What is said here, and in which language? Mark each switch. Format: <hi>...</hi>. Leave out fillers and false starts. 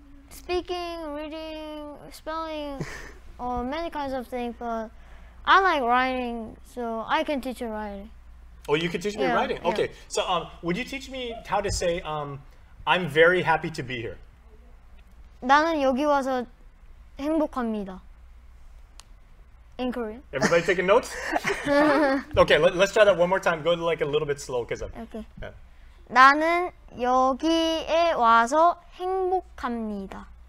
<en>Speaking, reading, spelling, many kinds of things, but I like writing, so I can teach you writing. Oh, you can teach me writing? Yeah. Okay, so would you teach me how to say, I'm very happy to be here?</en> <ko>나는 여기 와서 행복합니다.</ko> <en>In Korean. Everybody taking notes? Okay, let's try that one more time. Go like a little bit slow, because I'm... Okay. Yeah.</en> <ko>나는 여기에 와서 행복합니다.</ko>